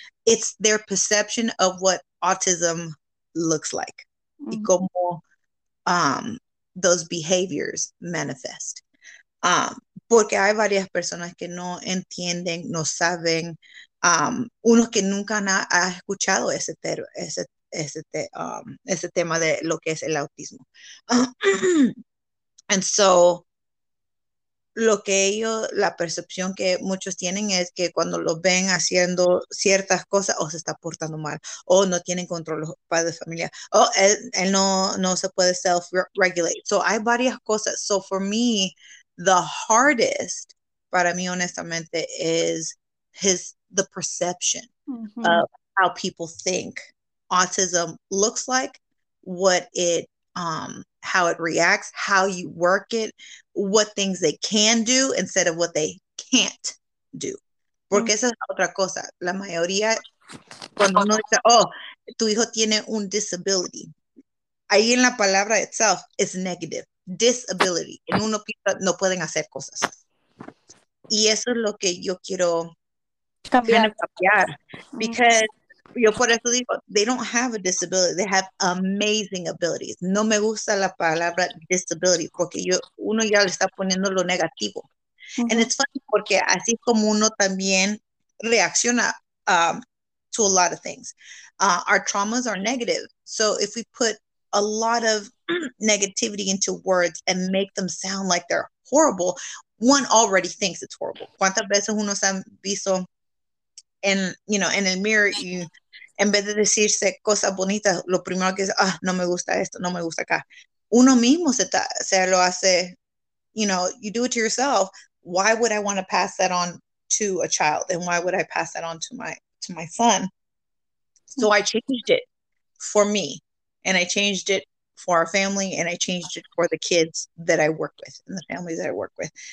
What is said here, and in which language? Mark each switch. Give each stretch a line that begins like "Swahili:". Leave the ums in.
English: It's their perception of what autism looks like
Spanish: y Ujú. cómo
English: um, those behaviors manifest.
Spanish: Um, porque hay varias personas que no entienden, no saben, um, unos que nunca han ha- ha escuchado ese, ter- ese, ese, te- um, ese tema de lo que es el autismo.
English: And so,
Spanish: lo que ellos, la percepción que muchos tienen es que cuando los ven haciendo ciertas cosas o se está portando mal o no tienen control los padres de familia o él, él no, no se puede
English: self-regulate. So
Spanish: hay varias cosas.
English: So for me, the hardest
Spanish: para mí honestamente
English: is his, the perception Ujú. of how people think autism looks like, what it, um, how it reacts, how you work it, what things they can do instead of what they can't do.
Spanish: Porque esa es otra cosa. La mayoría, cuando uno dice, oh, tu hijo tiene un disability, ahí en la palabra
English: itself
Spanish: es
English: negative.
Spanish: Disability. En uno piensa, no pueden hacer cosas. Y eso es lo que yo quiero
English: kind of
Spanish: Cambiar. cambiar Ujú.
English: because
Spanish: yo por eso digo,
English: they don't have a disability, they have amazing abilities.
Spanish: No me gusta la palabra disability porque yo, uno ya le está poniendo lo negativo.
English: And Ujú. it's funny
Spanish: porque así como uno también reacciona
English: um, to a lot of things. Uh, our traumas are negative. So if we put a lot of negativity into words and make them sound like they're horrible, one already thinks it's horrible.
Spanish: ¿Cuántas veces uno se han visto en,
English: you know,
Spanish: en el
English: mirror
Spanish: y en vez de decirse cosas bonitas, lo primero que es, ah, no me gusta esto, no me gusta acá. Uno mismo se, ta- se lo hace,
English: you know, you do it to yourself. Why would I want to pass that on to a child? And why would I pass that on to my to my son? So I changed it for me and I changed it for our family and I changed it for the kids that I work with and the families that I work with.